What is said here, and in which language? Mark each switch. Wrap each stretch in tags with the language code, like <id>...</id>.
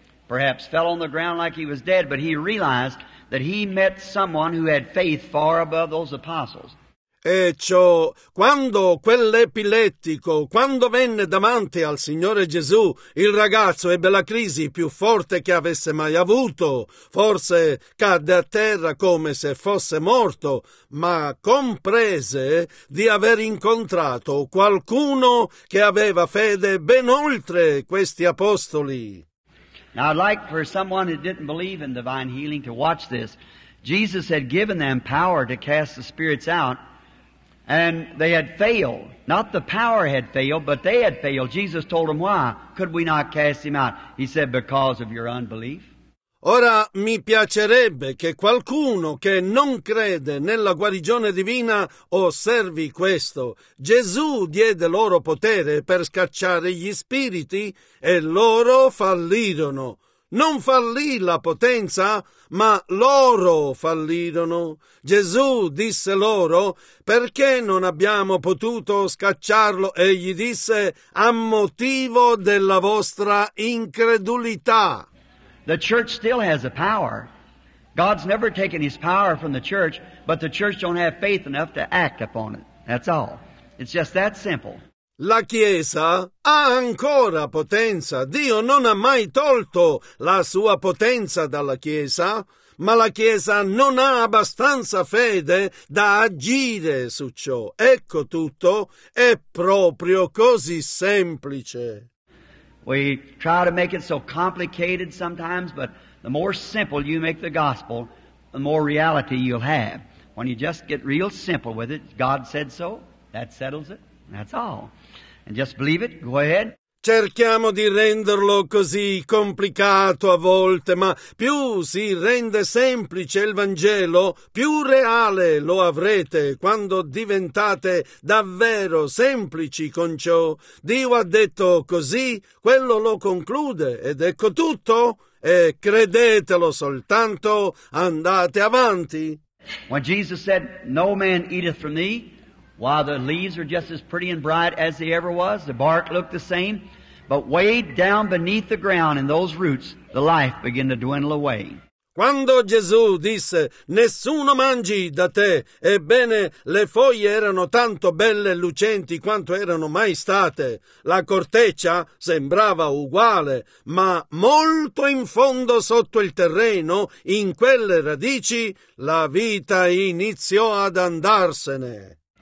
<en>Perhaps fell on the ground like he was dead, but he realized that he met someone who had faith far above those apostles.</en> <it>E ciò, quando quell'epilettico, quando venne davanti al Signore Gesù, il ragazzo ebbe la crisi più forte che avesse mai avuto. Forse cadde a terra come se fosse morto, ma comprese di aver incontrato qualcuno che aveva fede ben oltre questi apostoli.</it> <en>Now, I'd like for someone who didn't believe in divine healing to watch this. Jesus had given them power to cast the spirits out, and they had failed. Not the power had failed, but they had failed. Jesus told them, why could we not cast him out? He said, because of your unbelief.</en> <it>Ora mi piacerebbe che qualcuno che non crede nella guarigione divina osservi questo. Gesù diede loro potere per scacciare gli spiriti e loro fallirono. Non fallì la potenza, ma loro fallirono. Gesù disse loro, perché non abbiamo potuto scacciarlo? E gli disse, a motivo della vostra incredulità.</it> <en>The church still has a power. God's never taken his power from the church, but the church don't have faith enough to act upon it. That's all. It's just that simple.</en> <it>La Chiesa ha ancora potenza. Dio non ha mai tolto la sua potenza dalla Chiesa, ma la Chiesa non ha abbastanza fede da agire su ciò. Ecco tutto. È proprio così semplice.</it> <en>We try to make it so complicated sometimes, but the more simple you make the gospel, the more reality you'll have. When you just get real simple with it, God said so, that settles it, that's all. And just believe it, go ahead.</en> <it>Cerchiamo di renderlo così complicato a volte, ma più si rende semplice il Vangelo, più reale lo avrete quando diventate davvero semplici con ciò. Dio ha detto così, quello lo conclude, ed ecco tutto, e credetelo soltanto, andate avanti.</it> <en>When Jesus said, no man eateth from thee, while the leaves are just as pretty and bright as they ever was, the bark looked the same. But way down beneath the ground in those roots, the life began to dwindle away.</en> <it>Quando Gesù disse, nessuno mangi da te, ebbene le foglie erano tanto belle e lucenti quanto erano mai state, la corteccia sembrava uguale, ma molto in fondo sotto il terreno, in quelle radici, la vita iniziò ad andarsene.</it>